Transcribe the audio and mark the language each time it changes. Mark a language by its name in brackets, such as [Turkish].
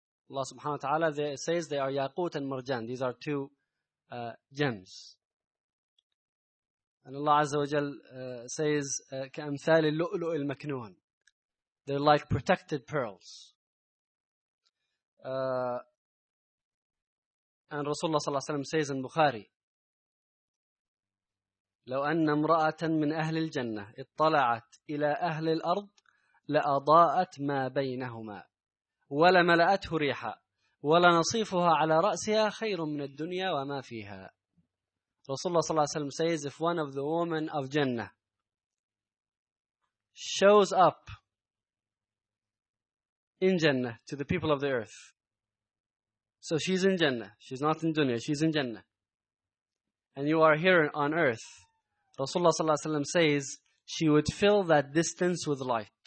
[English] Allah subhanahu wa ta'ala says they are yaqut and marjan. These are two gems. And Allah Azza wa Jal says, [Arabic] كَأَمْثَالِ اللُّؤْلُؤِ الْمَكْنُونَ. [English] They're like protected pearls. And Rasulullah صلى الله عليه وسلم says in Bukhari, [Arabic] لَوْ أَنَّ امْرَأَةً مِنْ أَهْلِ الْجَنَّةِ اطَّلَعَتْ إِلَىٰ أَهْلِ الْأَرْضِ لَأَضَاءَتْ مَا بَيْنَهُمَا وَلَمَلَأَتْهُ رِيحًا وَلَنَصِيفُهَا عَلَىٰ رَأْسِهَا خَيْرٌ مِّنَ الدُّنْيَا وَمَا فِيهَا. [English] Rasulullah صلى الله عليه وسلم says, if one of the women of Jannah shows up in Jannah to the people of the earth, so she's in Jannah, she's not in dunya, she's in Jannah, and you are here on earth, Rasulullah صلى الله عليه وسلم says, she would fill that distance with light.